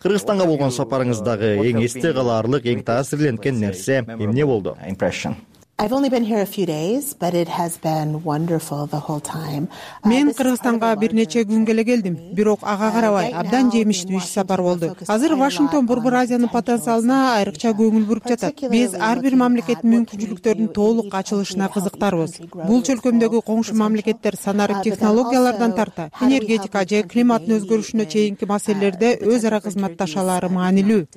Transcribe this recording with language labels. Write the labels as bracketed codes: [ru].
[ky] Кыргызстанга болгон сапарыңыздагы эң эсте калаарлык, эң таасирленген нерсе эмне болду? [en] Impression. I've only been here a few days, but it has been wonderful the whole time. [ky] Мен Кыргызстанга бир нече күн эле келдим, бирок ага карабай, абдан жемиштүү иш сапар болду. Азыр Вашингтон Борбор Азиянын потенциалына айрыкча көңүл буруп жатат. Биз ар бир мамлекеттин мүмкүнчүлүктөрүн толук ачылышына кызыктарбыз. Бул чөлкөмдөгү коңшу мамлекеттер санарип технологиялардан тарта, энергетика же климаттын өзгөрүшүнө чейинки маселелерде өз ара кызматташалары маанилүү.